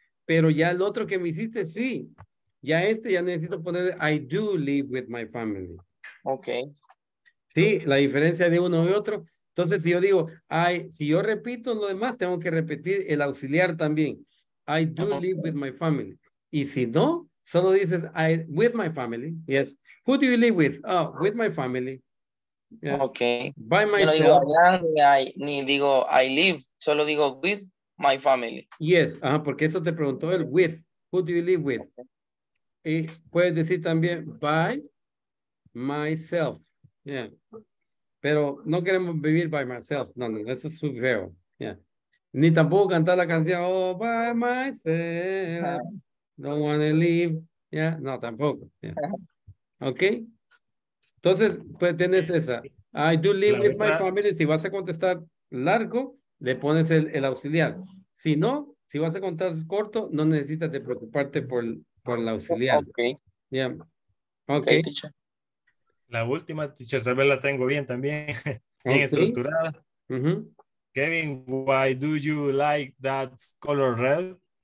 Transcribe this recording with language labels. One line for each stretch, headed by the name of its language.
Spanish: Pero ya el otro que me hiciste, sí. Ya este, ya necesito poner,
English: I do live with my family. Ok.
Spanish: Sí, la diferencia de uno y otro. Entonces, si yo digo, si yo repito lo demás, tengo que repetir el auxiliar también.
English: I do live with my family.
Spanish: Y si no, solo dices,
English: with my family. Yes. Who do you live with? Oh, with my family. Yeah. Ok. By myself. Yo
Spanish: no digo, ni digo,
English: I live.
Spanish: Solo digo,
English: with my family. Yes.
Spanish: Ajá, porque eso te preguntó él,
English: with. Who do you live with?
Spanish: Okay. Y puedes decir también
English: by myself.
Spanish: Yeah. Pero no queremos vivir
English: by myself.
Spanish: No, no, eso es muy feo. Yeah. Ni tampoco cantar la canción
English: oh, by myself. Don't want to leave.
Spanish: Yeah. No, tampoco. Yeah. Ok. Entonces, pues tienes esa.
English: I do live with my family.
Spanish: Si vas a contestar largo, le pones el auxiliar. Si no, si vas a contestar corto, no necesitas de preocuparte por la auxiliar. Okay. Yeah. Okay. Okay,
English: teacher.
Spanish: La última, teacher, tal vez la tengo bien también, bien okay. estructurada. Uh-huh.
English: Kevin, why do you like that color red?